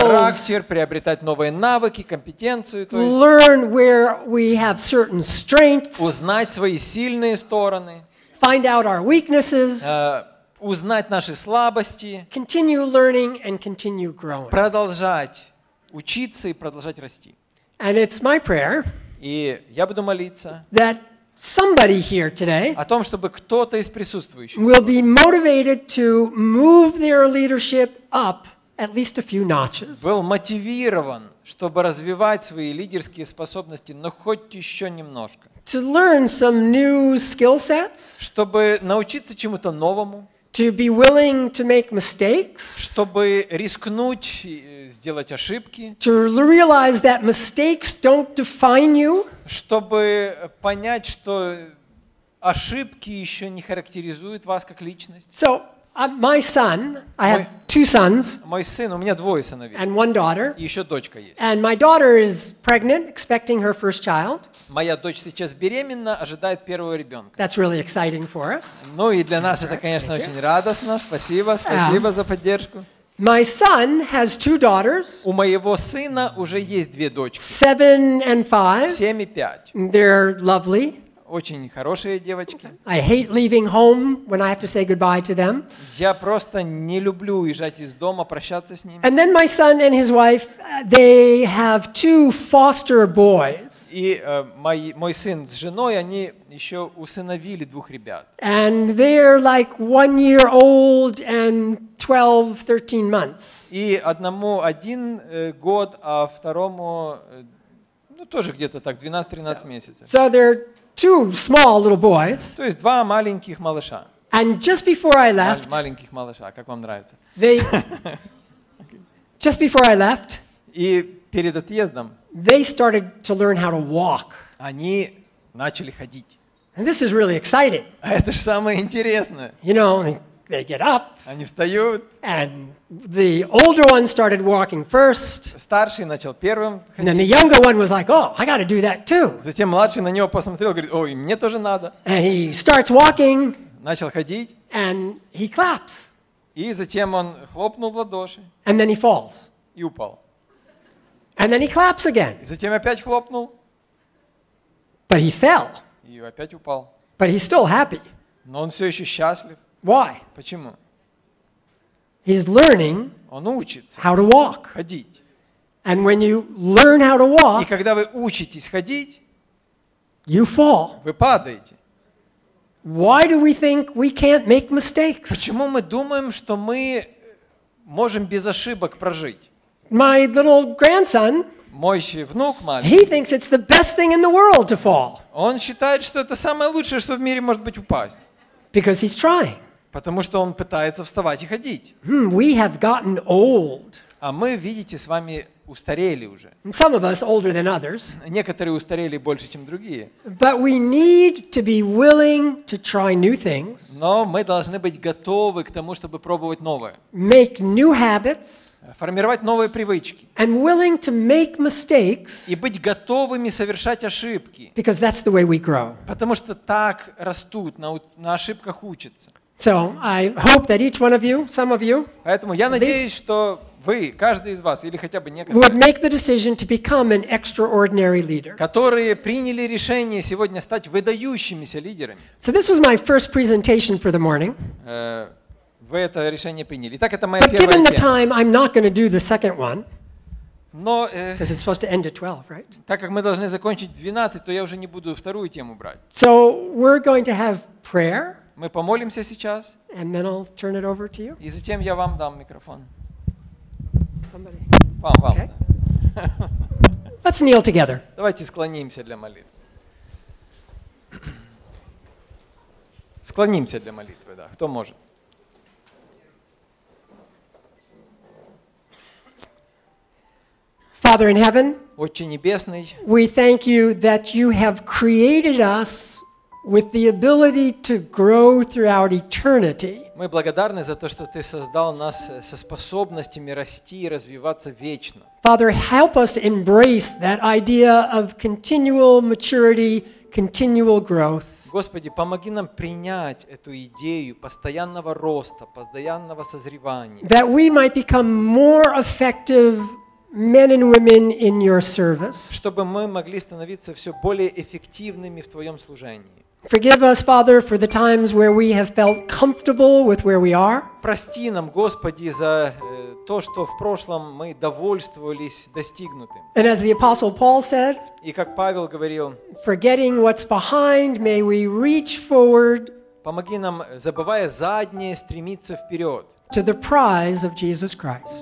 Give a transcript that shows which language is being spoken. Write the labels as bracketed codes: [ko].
[ru] характер, приобретать новые навыки, компетенцию. То есть, [en] learn where we have certain strengths, [ru] узнать свои сильные стороны, [en] find out our weaknesses, [ru] узнать наши слабости, [en] continue learning and continue growing. [ru] Продолжать учиться и продолжать расти. [en] And it's my prayer, [ru] и я буду молиться, [en] that somebody here today, [ru] о том, чтобы кто-то из присутствующих, [en] will be motivated to move their leadership up at least a few notches. [ru] Был мотивирован, чтобы развивать свои лидерские способности, но хоть еще немножко. [en] To learn some new skill sets, [ru] чтобы научиться чему-то новому. [en] To be willing to make mistakes, [ru] чтобы рискнуть сделать ошибки, [en] to realize that mistakes don't define you, [ru] чтобы понять, что ошибки еще не характеризуют вас как личность. [en] So, my son, I have two sons, [ru] мой сын, у меня двое сыновей, [en] and one daughter, [ru] и еще дочка есть. [en] And my daughter is pregnant, expecting her first child. [ru] Моя дочь сейчас беременна, ожидает первого ребенка. [en] That's really exciting for us. [ru] Ну и для нас это, конечно, очень радостно. Спасибо, спасибо за поддержку. [en] My son has two daughters. [ru] У моего сына уже есть две дочки. [en] 7 and 5. [ru] 7 и 5. [en] They're lovely. [ru] Очень хорошие девочки. [en] I hate leaving home when I have to say goodbye to them. [ru] Я просто не люблю уезжать из дома, прощаться с ними. [en] And then my son and his wife, they have two foster boys. [ru] И мой сын с женой, они еще усыновили двух ребят. [en] And they're like 1 year old and 12-13 months. [ru] И одному 1 год, а второму ну тоже где-то так 12-13 месяцев. [en] So they're two small little boys. [ru] То есть два маленьких малыша. [en] And just before I left, [ru] маленьких малыша, как вам нравится? [en] They, just before I left, [ru] и перед отъездом, [en] they started to learn how to walk. [ru] Они начали ходить. [en] And this is really exciting. [ru] А это же самое интересное. [en] You know, they get up. [ru] Они встают. [en] And the older one started walking first. [ru] Старший начал первым. [en] And then the younger one was like, "Oh, I got to do that too." [ru] Затем младший на него посмотрел, говорит, "Ой, мне тоже надо." [en] And he starts walking. [ru] Начал ходить. [en] And he claps. [ru] И затем он хлопнул в ладоши. [en] And then he falls. [ru] И упал. [en] And then he claps again. [ru] И затем опять хлопнул. [en] But he fell. [ru] И опять упал. [en] But he's still happy. [ru] Но он все еще счастлив. [en] Why? [ru] Почему? [en] He's learning how to walk. [ru] Ходить. [en] And when you learn how to walk, [ru] и когда вы учитесь ходить, [en] you fall. [ru] Вы падаете. [en] Why do we think we can't make mistakes? [ru] Почему мы думаем, что мы можем без ошибок прожить? [en] My little grandson, [ru] мой внук маленький, [en] he thinks it's the best thing in the world to fall. [ru] Он считает, что это самое лучшее, что в мире может быть упасть. [en] Because he's trying. [ru] Потому что он пытается вставать и ходить. [en] We have gotten old. [ru] А мы, видите, с вами устарели уже. [en] Some of us older than others. [ru] Некоторые устарели больше, чем другие. [en] But we need to be willing to try new things. [ru] Но мы должны быть готовы к тому, чтобы пробовать новое. [en] Make new habits. [ru] Формировать новые привычки. [en] And willing to make mistakes. [ru] И быть готовыми совершать ошибки. [en] Because that's the way we grow. [ru] Потому что так растут, на ошибках учатся. [en] So I hope that each one of you, some of you, [ru] поэтому я надеюсь, что вы, каждый из вас, или хотя бы некоторые, [en] would make the decision to become an extraordinary leader. [ru] Которые приняли решение сегодня стать выдающимися лидерами. [en] So this was my first presentation for the morning. [ru] Вы это решение приняли. Итак, это моя первая тема. [en] But given the time, I'm not going to do the second one. [ru] Но, [en] because it's supposed to end at 12, right? [ru] Так как мы должны закончить 12, то я уже не буду вторую тему брать. [en] So we're going to have prayer. [ru] Мы помолимся сейчас. [en] And then I'll turn it over to you. [ru] И затем я вам дам микрофон. [en] Somebody. [ru] Вам. Okay. [en] Let's kneel together. [ru] Давайте склонимся для молитвы. Склонимся для молитвы, да. Кто может? [en] Father in heaven, [ru] Отче небесный, [en] we thank you that you have created us with the ability to grow throughout eternity. [ru] Мы благодарны за то, что ты создал нас со способностями расти и развиваться вечно. [en] Father, help us embrace that idea of continual maturity, continual growth. [ru] Господи, помоги нам принять эту идею постоянного роста, постоянного созревания. [en] That we might become more effective men and women in your service. [ru] Чтобы мы могли становиться все более эффективными в твоем служении. [en] Forgive us, Father, for the times where we have felt comfortable with where we are. [ru] Прости нам, Господи, за то, что в прошлом мы довольствовались достигнутым. [en] And as the Apostle Paul said, [ru] и как Павел говорил, [en] forgetting what's behind, may we reach forward. [ru] Помоги нам, забывая заднее, стремиться вперед. [en] To the prize of Jesus Christ.